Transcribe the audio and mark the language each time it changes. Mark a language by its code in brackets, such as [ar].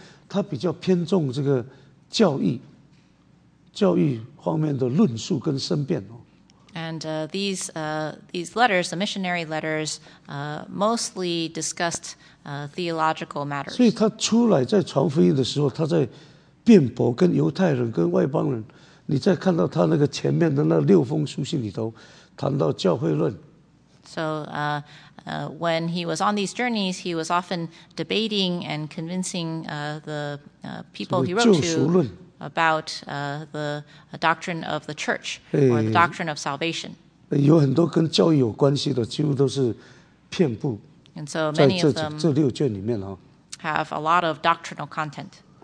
[zh] 那这是那个有关那个第一类的书信，旅行书信，它比较偏重这个。教义方面的论述跟申辩哦。 [en] And these letters, the missionary letters, mostly discussed theological matters. [zh] 所以他出来在传福音的时候，他在辩驳跟犹太人、跟外邦人。你再看到他那个前面的那六封书信里头，谈到教会论。 [en] So When he was on these journeys, he was often debating and convincing the people he wrote to. About the doctrine of the church or the doctrine of salvation. [zh] 有很多跟教育有关系的，几乎都是遍布。 [en] And so many of them have a lot of doctrinal content.